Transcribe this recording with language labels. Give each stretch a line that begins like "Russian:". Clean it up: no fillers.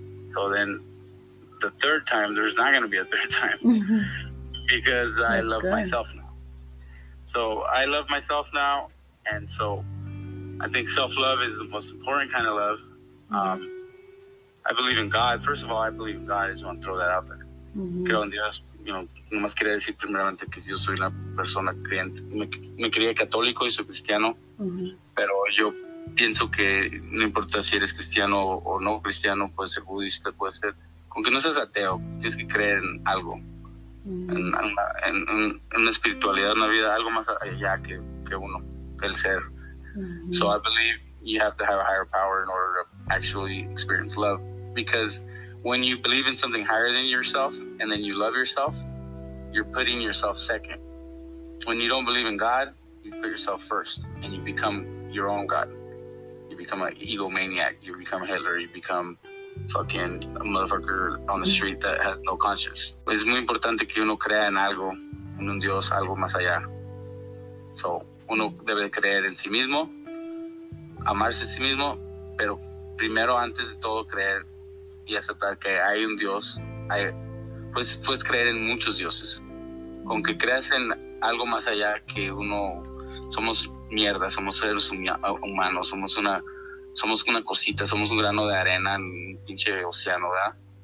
English: So then the third time, there's not going to be a third time. Because I That's love good. Myself now. So I love myself now. And so I think self-love is the most important kind of love. I believe in God. First of all, I believe in God. I just want to throw that out there.
Spanish: Creo en Dios. Nomás quería decir primeramente que yo soy una persona creyente. Me crié católico y soy cristiano. Pero yo pienso que no importa si eres cristiano o no cristiano, puede ser budista, puede ser, con que no seas ateo, tienes que creer en algo, en una espiritualidad, una vida, algo más allá que uno, que el ser.
English: So I believe you have to have a higher power in order to actually experience love, because when you believe in something higher than yourself and then you love yourself, you're putting yourself second. When you don't believe in God, you put yourself first and you become your own God. You become an egomaniac, you become Hitler, you become fucking a motherfucker on the street that has no conscience.
Spanish: Es muy importante que uno crea en algo, en un Dios, algo más allá. So, uno debe creer en sí mismo, amarse a sí mismo, pero primero, antes de todo, creer y aceptar que hay un Dios. Puedes creer en muchos dioses. Con que creas en algo más allá que uno, somos mierda, somos seres humanos, somos una cosita, somos un grano de arena en un pinche océano, ¿verdad?